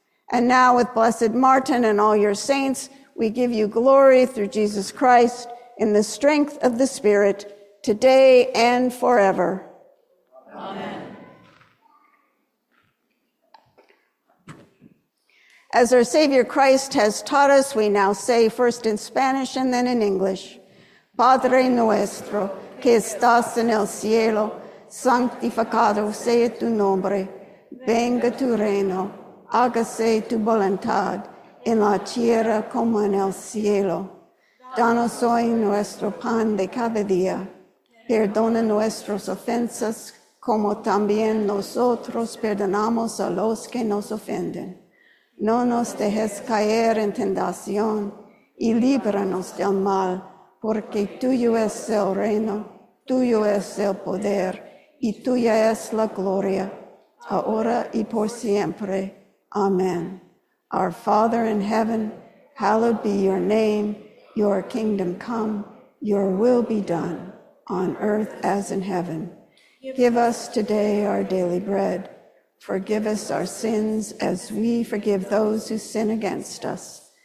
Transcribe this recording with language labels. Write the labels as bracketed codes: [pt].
[en] And now, with Blessed Martin and all your saints, we give you glory through Jesus Christ in the strength of the Spirit, today and forever. Amen. As our Savior Christ has taught us, we now say first in Spanish and then in English. [es] Padre nuestro, que estás en el cielo, santificado sea tu nombre. Venga tu reino, hágase tu voluntad, en la tierra como en el cielo. Danos hoy nuestro pan de cada día. Perdona nuestras ofensas, como también nosotros perdonamos a los que nos ofenden. No nos dejes caer en tentación, y líbranos del mal, porque tuyo es el reino, tuyo es el poder, y tuya es la gloria, ahora y por siempre. [en] Amen. Our Father in heaven, hallowed be your name, your kingdom come, your will be done, on earth as in heaven. Give us today our daily bread. Forgive us our sins as we forgive those who sin against us.